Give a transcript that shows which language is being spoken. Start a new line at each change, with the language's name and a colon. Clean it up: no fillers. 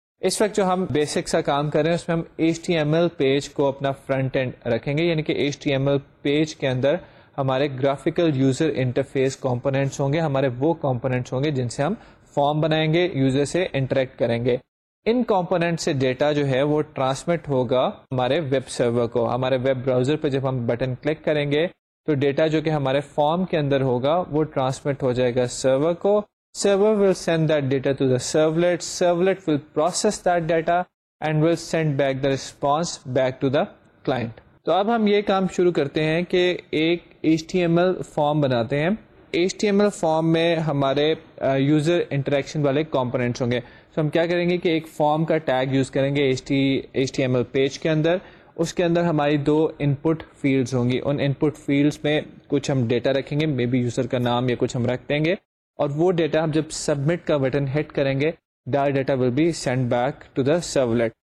Urdu: اس وقت جو ہم بیسک سا کام کر رہے ہیں اس میں ہم HTML پیج کو اپنا فرنٹ اینڈ رکھیں گے, یعنی کہ HTML پیج کے اندر ہمارے گرافیکل یوزر انٹرفیس کمپوننٹس ہوں گے, ہمارے وہ کمپوننٹس ہوں گے جن سے ہم فارم بنائیں گے, یوزر سے انٹریکٹ کریں گے. ان کمپوننٹ سے ڈیٹا جو ہے وہ ٹرانسمٹ ہوگا ہمارے ویب سرور کو. ہمارے ویب براؤزر پہ جب ہم بٹن کلک کریں گے تو ڈیٹا جو کہ ہمارے فارم کے اندر ہوگا وہ ٹرانسمٹ ہو جائے گا سرور کو.
English: Server will send that data to the servlet. Servlet will process that data and will send back the response back to the client.
Urdu: تو اب ہم یہ کام شروع کرتے ہیں کہ ایک HTML form بناتے ہیں. HTML form میں ہمارے user interaction والے components ہوں گے. So ہم کیا کریں گے کہ ایک form کا tag use کریں گے HTML page کے اندر. اس کے اندر ہماری دو input fields ہوں گی. ان input fields میں کچھ ہم data رکھیں گے, maybe user کا نام یا کچھ ہم رکھ دیں گے, اور وہ ڈیٹا ہم جب سبمٹ کا بٹن ہٹ کریں گے
English: That data will be sent back to the servlet.